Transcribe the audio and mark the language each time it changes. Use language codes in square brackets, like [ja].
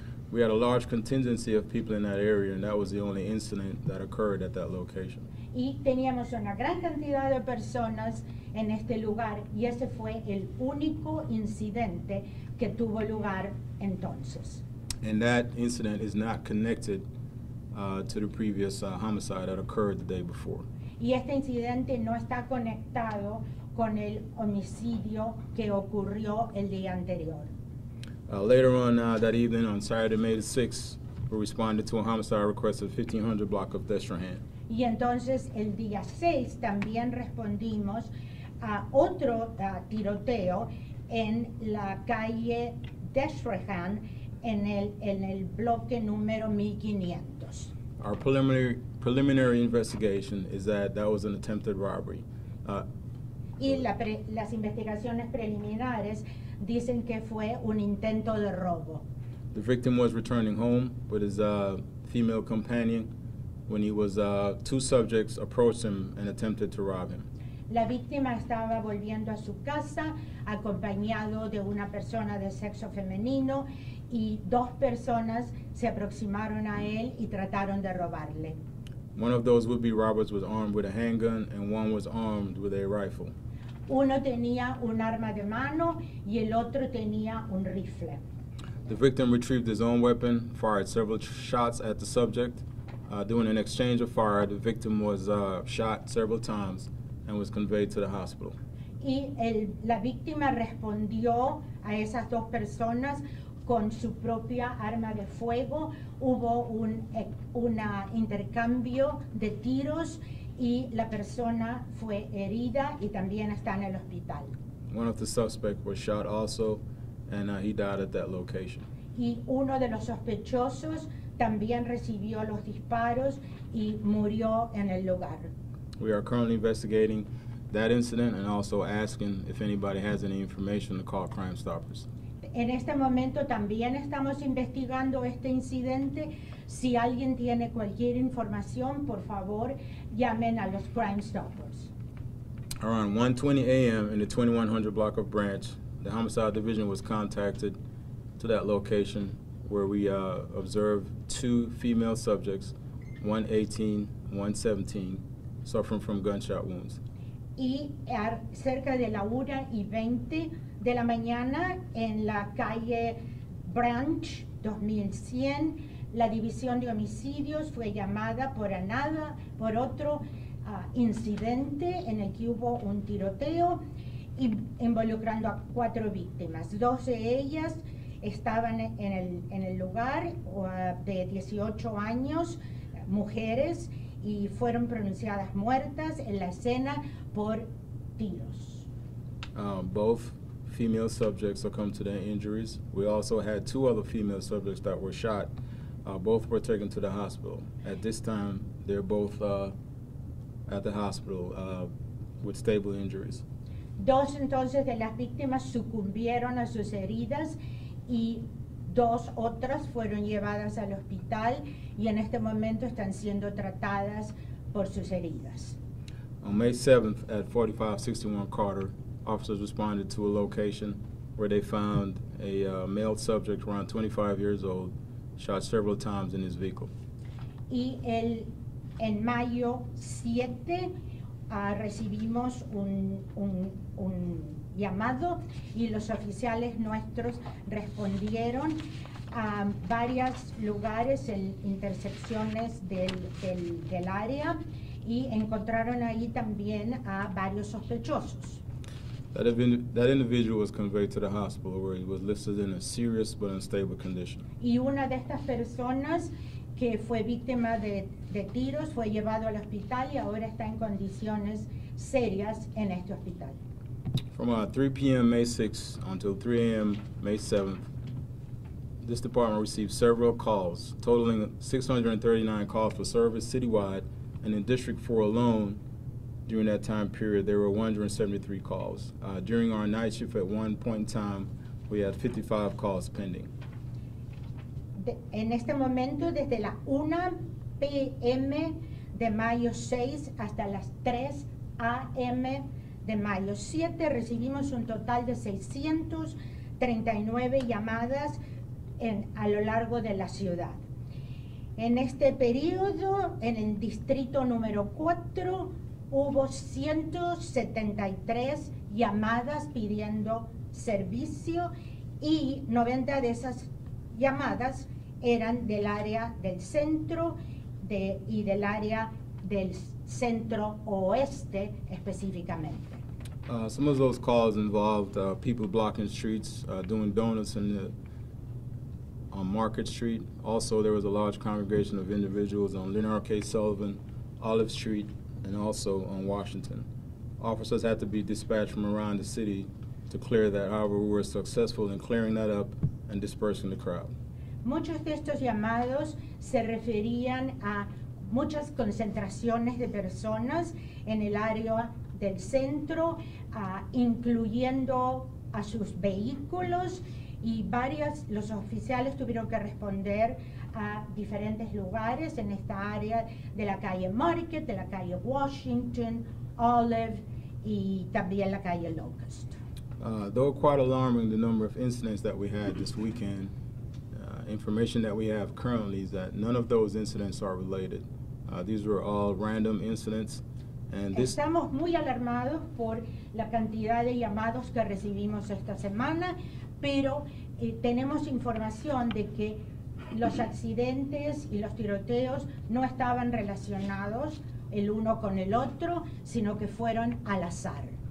[en] We had a large contingency of people in that area, and that was the only incident that occurred at that location. [es] Y teníamos una gran cantidad de personas en este lugar, y ese fue el único incidente que tuvo lugar entonces. [en] And that incident is not connected to the previous homicide that occurred the day before. [es] Y este incidente no está conectado con el homicidio que ocurrió el día anterior. [en] Later on that evening, on Saturday, May the 6th, we responded to a homicide request at 1500 block of Destrehan. [es] Y entonces el día 6 también respondimos a otro tiroteo en la calle Destrehan en el bloque número 1500. [en] Our preliminary investigation is that was an attempted robbery. [es] Las investigaciones preliminares dicen que fue un intento de robo. [en] The victim was returning home with his female companion when he was two subjects approached him and attempted to rob him. [es] La víctima estaba volviendo a su casa acompañado de una persona de sexo femenino y dos personas se aproximaron a él y trataron de robarle. [en] One of those would-be robbers was armed with a handgun and one was armed with a rifle. [es] Uno tenía un arma de mano y el otro tenía un rifle. [en] The victim retrieved his own weapon, fired several shots at the subject. During an exchange of fire, the victim was shot several times and was conveyed to the hospital. [es] Y la víctima respondió a esas dos personas con su propia arma de fuego. Hubo un intercambio de tiros y la persona fue herida y también está en el hospital. [en] One of the suspects was shot also, and he died at that location. [es] Y uno de los sospechosos también recibió los disparos y murió en el lugar. [en] We are currently investigating that incident and also asking if anybody has any information to call Crime Stoppers. [es] En este momento también estamos investigando este incidente. Si alguien tiene cualquier información, por favor, llamen a los Crime Stoppers. [en] Around 1:20 a.m. in the 2100 block of Branch, the Homicide Division was contacted to that location where we observed two female subjects, 1:18, 1:17, suffering from gunshot wounds. [es] Y cerca de la 1:20 de la mañana en la calle Branch 2100, la División de Homicidios fue llamada por otro incidente en el que hubo un tiroteo involucrando a cuatro víctimas. Dos de ellas estaban en el lugar de 18 años, mujeres, y fueron pronunciadas muertas en la escena por tiros. [en] Both female subjects succumbed to their injuries. We also had two other female subjects that were shot. Both were taken to the hospital. At this time, they're both at the hospital with stable injuries. [es] Dos entonces de las víctimas sucumbieron a sus heridas y dos otras fueron llevadas al hospital y en este momento están siendo tratadas por sus heridas. [en] On May 7th at 4561 Carter, officers responded to a location where they found a male subject around 25 years old, shot several times in his vehicle. [es] Y en mayo 7 recibimos un llamado y los oficiales nuestros respondieron a varios lugares en intersecciones del área y encontraron ahí también a varios sospechosos. [en] That individual was conveyed to the hospital where he was listed in a serious but unstable condition. [es] Y una de estas personas que fue víctima de tiros fue llevado al hospital y ahora está en condiciones serias en este hospital. [en] From 3 p.m. May 6th until 3 a.m. May 7th, this department received several calls, totaling 639 calls for service citywide, and in District 4 alone, during that time period, there were 173 calls. During our night shift at one point in time, we had 55 calls pending. [es] En este momento, desde la 1 p.m. de mayo 6 hasta las 3 a.m., de mayo 7 recibimos un total de 639 llamadas a lo largo de la ciudad. En este periodo, en el distrito número 4, hubo 173 llamadas pidiendo servicio y 90 de esas llamadas eran del área del centro y del área del centro oeste específicamente. [en] Some of those calls involved people blocking streets, doing donuts on Market Street. Also, there was a large congregation of individuals on Leonard K. Sullivan, Olive Street, and also on Washington. Officers had to be dispatched from around the city to clear that. However, we were successful in clearing that up and dispersing the crowd. [es] Muchos de estos llamados se referían a muchas concentraciones de personas en el área del centro, incluyendo a sus vehículos, y los oficiales tuvieron que responder a diferentes lugares en esta área de la calle Market, de la calle Washington, Olive, y también la calle Locust. [en] Though quite alarming, the number of incidents that we had this weekend, information that we have currently is that none of those incidents are related. These were all random incidents. [es] Estamos muy alarmados por la cantidad de llamados que recibimos esta semana, pero tenemos información de que los accidentes y los tiroteos no estaban relacionados el uno con el otro, sino que fueron al azar.